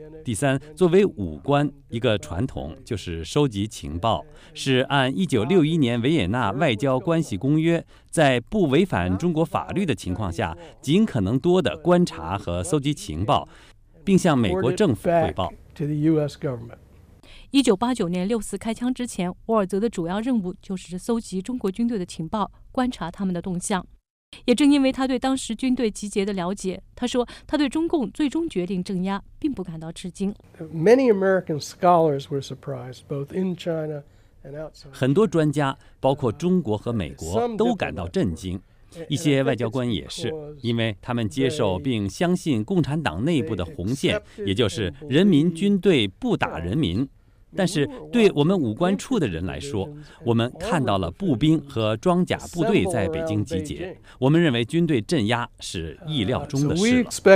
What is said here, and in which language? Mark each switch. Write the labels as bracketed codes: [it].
[zh] 第三，作为武官，一个传统就是收集情报，是按1961年维也纳外交关系公约，在不违反中国法律的情况下，尽可能多的观察和搜集情报，并向美国政府汇报。 1989年六四开枪之前，沃尔泽的主要任务就是搜集中国军队的情报，观察他们的动向。也正因为他对当时军队集结的了解，他说他对中共最终决定镇压并不感到吃惊。 [en] Many American scholars were surprised, both in China and outside. [zh] 很多专家，包括中国和美国，都感到震惊。一些外交官也是，因为他们接受并相信共产党内部的红线，也就是人民军队不打人民。但是对我们武官处的人来说，我们看到了步兵和装甲部队在北京集结，我们认为军队镇压是意料中的事了。